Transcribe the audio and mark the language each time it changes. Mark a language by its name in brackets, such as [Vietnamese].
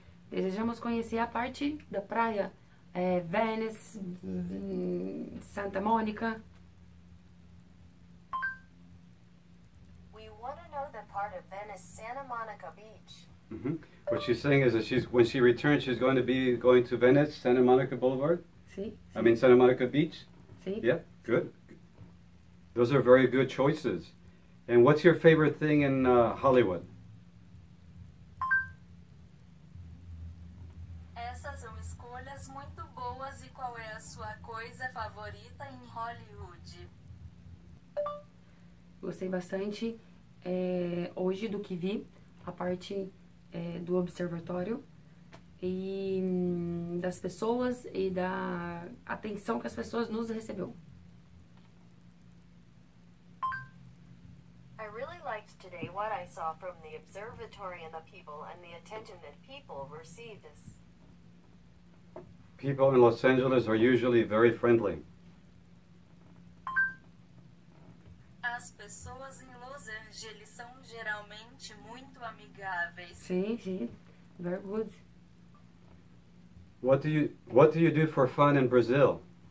[Portuguese] Desejamos conhecer a parte da praia, Venice, Santa Mônica. [English] We want to know the part of Venice, Santa Monica Beach. Mm-hmm. What she's saying is that when she returns, she's going to be going to Venice, Santa Monica Boulevard. I mean Santa Monica Beach? See? Yeah, good. Those are very good choices. And what's your favorite thing in Hollywood? [Portuguese] Essas são escolhas muito boas. E qual é a sua coisa favorita em Hollywood? Gostei bastante hoje do que vi, a parte do observatório. E das pessoas e da atenção que as pessoas nos recebeu. [English] I really liked today what I saw from the observatory and the people and the attention that people received us. People in Los Angeles are usually very friendly. [Portuguese] As pessoas em Los Angeles são geralmente muito amigáveis. Sim, sim. [English] Very good. What do you do for fun in Brazil?